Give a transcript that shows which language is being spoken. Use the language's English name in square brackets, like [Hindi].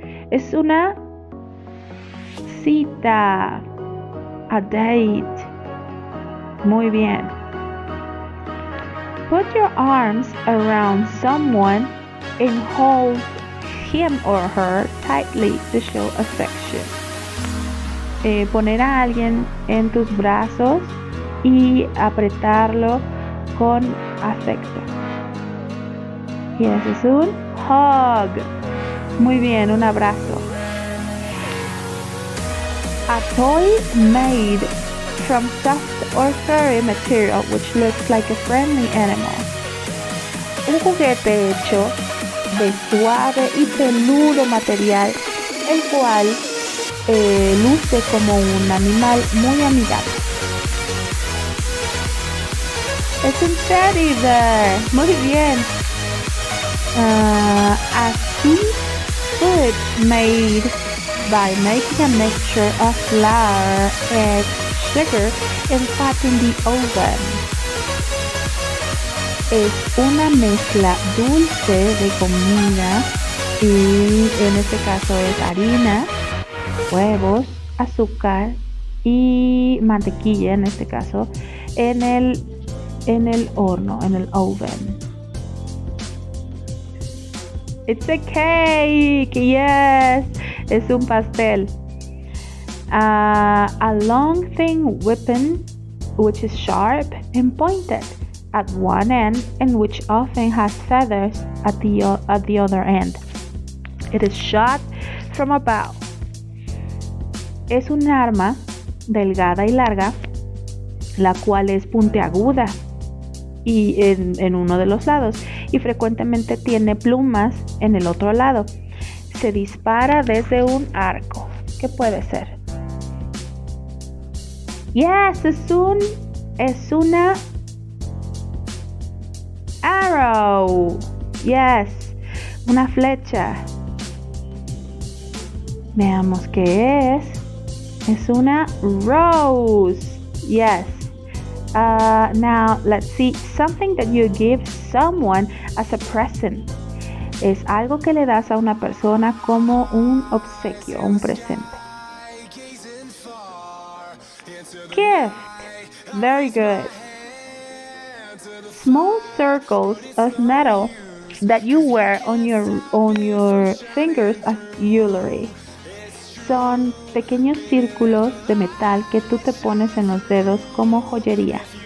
[Spanish] Es una cita, [English] a date. [Spanish] Muy bien. [English] Put your arms around someone and hold him or her tightly to show affection. [Spanish] Poner a alguien en tus brazos y apretarlo con afecto. Y eso es un hug. Muy bien, un abrazo. [English] A toy made from soft or furry material which looks like a friendly animal. [Spanish] Un juguete hecho de suave y peludo material, el cual luce como un animal muy amigable. Es un teddy bear. Muy bien. [English] A foot made by making a mixture of flour, eggs, sugar and fat in the oven. [Spanish] Es una mezcla dulce de comida y en este caso es harina, huevos, azúcar y mantequilla en este caso en el horno, en el oven. [English] It's a cake, yes, [Spanish] es un pastel. [English] A long thing weapon which is sharp and pointed at one end and which often has feathers at the other end. It is shot from above. [Spanish] Es un arma delgada y larga, la cual es puntiaguda y en uno de los lados y frecuentemente tiene plumas en el otro lado. Se dispara desde un arco. ¿Qué puede ser? Yes, es una arrow. Yes, una flecha. Veamos qué es. Es una rose. Yes. [English] Now, let's see. Something that you give someone as a present. [Spanish] Es algo que le das a una persona como un obsequio, un presente. [English] Gift. Very good. Small circles of metal that you wear on your fingers as jewelry. [Spanish] Son pequeños círculos de metal que tú te pones en los dedos como joyería.